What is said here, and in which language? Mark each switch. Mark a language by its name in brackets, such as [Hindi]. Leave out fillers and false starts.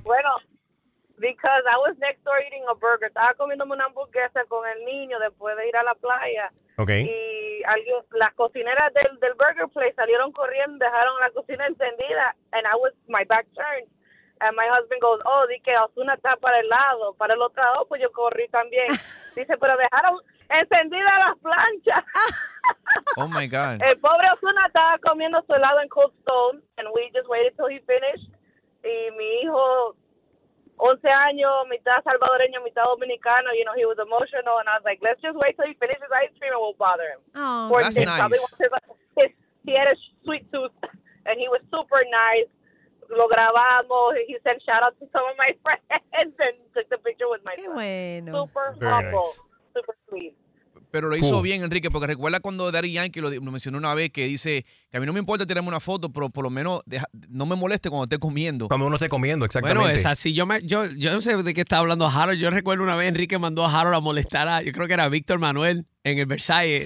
[English] Bueno, because I was next door eating a burger. [Spanish] Estaba comiéndome una hamburguesa con el niño después de ir a la playa. [English] Okay. [Spanish] Y las cocineras del burger place salieron corriendo, dejaron la cocina encendida. [English] And I was, my back turned. And my husband goes, oh, [Spanish] di que Ozuna está para el lado, para el otro lado, pues yo corrí también. Dice, pero dejaron encendida las planchas. [English] Oh my God. [Spanish] El pobre Ozuna estaba comiendo su helado en Cold Stone. [English] And we just waited till he finished. [Spanish] Y mi hijo, 11 años, mitad salvadoreño, mitad dominicano, [English] you know, he was emotional, and I was like, let's just wait till he finishes ice cream and we'll bother him. Oh, that's nice. He had a sweet tooth, and he was super nice. [Spanish] Lo grabamos, [English] he sent shout-outs to some of my friends, and took the picture with my [Spanish] Qué bueno. [English] Son. Super Very humble, nice. Super sweet. [Spanish] Pero lo hizo bien, Enrique, porque recuerda cuando Daddy Yankee lo mencionó una vez, que dice que a mí no me importa tirarme una foto, pero por lo menos no me moleste cuando esté comiendo. Cuando uno esté comiendo, exactamente. Bueno, es así. Yo no sé de qué estaba hablando Harold. Yo recuerdo una vez Enrique mandó a Harold a molestar yo creo que era Víctor Manuel en el Versailles.